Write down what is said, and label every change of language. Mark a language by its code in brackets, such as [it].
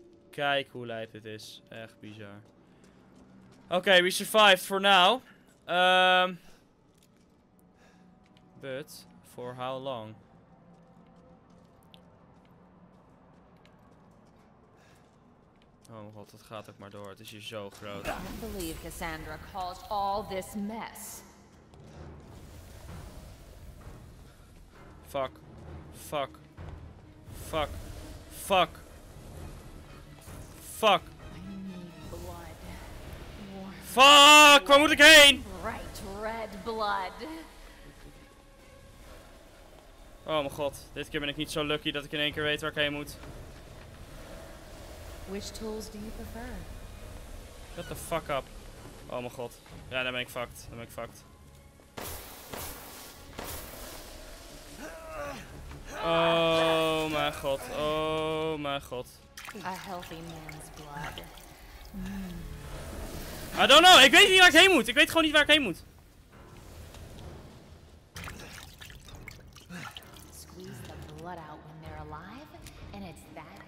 [nl] Kijk hoe lijp dit is. Echt bizar. Oké, [en] we survived for now. But for how long? [nl] Oh mijn god, dat gaat ook maar door. Het is hier zo groot. [en] I can't believe Cassandra caused all this mess. Fuck. Fuck. Fuck. Fuck. Fuck. I need blood. [nl] Warm. Fuck! Waar moet ik heen? [en] Bright red blood. [nl] Oh mijn god, dit keer ben ik niet zo lucky dat ik in één keer weet waar ik heen moet. [en] Which tools do you prefer? Shut the fuck up. [nl] Oh mijn god. Ja, dan ben ik fucked. Dan ben ik fucked. Oh mijn god. Oh mijn god. [en] A healthy man's blood. I don't know. [nl] Ik weet niet waar ik heen moet. Ik weet gewoon niet waar ik heen moet. [en] Squeeze the blood out when they're alive and it's that.